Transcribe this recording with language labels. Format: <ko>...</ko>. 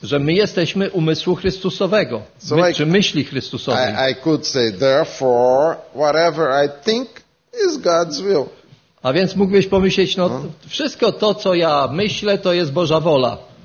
<pl>Że my jesteśmy umysłu Chrystusowego, so my, czy myśli Chrystusowej.</pl> <en>I could say, therefore, whatever I think is God's will.</en> <pl>A więc mógłbyś pomyśleć, no wszystko to, co ja myślę, to jest Boża wola.</pl>